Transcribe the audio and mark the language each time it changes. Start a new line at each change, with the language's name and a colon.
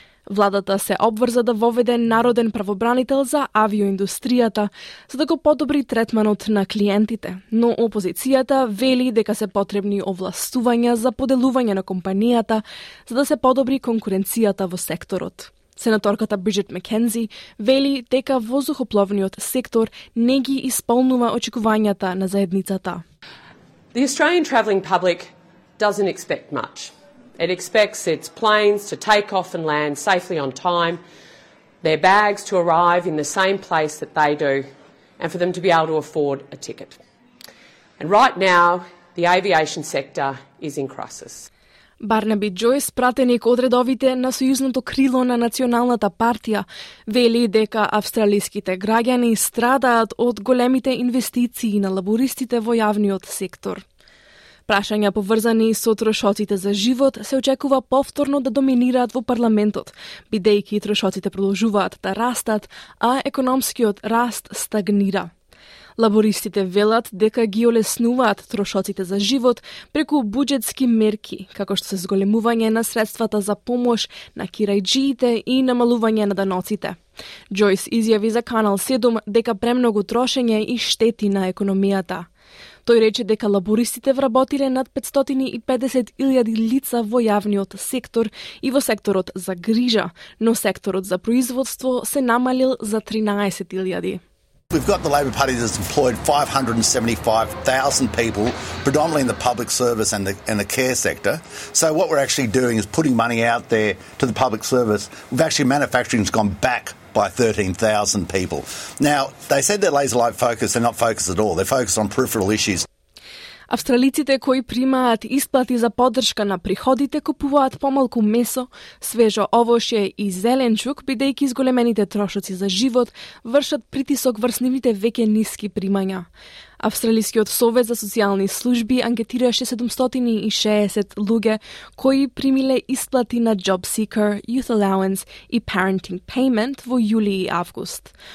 Macedonian: Владата се обврза да воведе народен правобранител за авиоиндустријата, за да го подобри третманот на клиентите, но опозицијата вели дека се потребни овластувања за поделување на компанијата, за да се подобри конкуренцијата во секторот. Сенаторката Бриджит Маккензи вели дека воздухопловниот сектор не ги исполнува очекувањата на заедницата.
English: The Australian travelling public doesn't expect much. It expects its planes to take off and land safely on time, their bags to arrive in the same place that they do, and for them to be able to afford a ticket. And right now, the aviation sector is in crisis.
Macedonian: Барнаби Джойс, пратеник од редовите на сојузното крило на Националната партија, вели дека австралиските граѓани страдаат од големите инвестиции на лабористите во јавниот сектор. Прашања поврзани со трошоците за живот се очекува повторно да доминираат во парламентот, бидејќи трошоците продолжуваат да растат, а економскиот раст стагнира. Лабористите велат дека ги олеснуваат трошоците за живот преку буџетски мерки, како што се зголемување на средствата за помош на кирајџиите и намалување на даноците. Джойс изјави за Канал 7 дека премногу трошење и штети на економијата. Тој рече дека лабористите вработиле над 550 илјади лица во јавниот сектор и во секторот за грижа, но секторот за производство се намалил за 13 илјади.
English: We've got the Labor Party that's employed 575,000 people, predominantly in the public service and the care sector. So what we're actually doing is putting money out there to the public service. We've actually manufacturing's gone back by 13,000 people. Now, they said they're laser light focused, they're not focused at all. They're focused on peripheral issues.
Macedonian: Австралиците кои примаат исплати за поддршка на приходите купуваат помалку месо, свежо овошје и зеленчук, бидејќи зголемените трошоци за живот вршат притисок врз нивните веќе ниски примања. Австралискиот совет за социјални служби анкетираше 760 луѓе кои примиле исплати на Job Seeker, Youth Allowance и Parenting Payment во јули и август.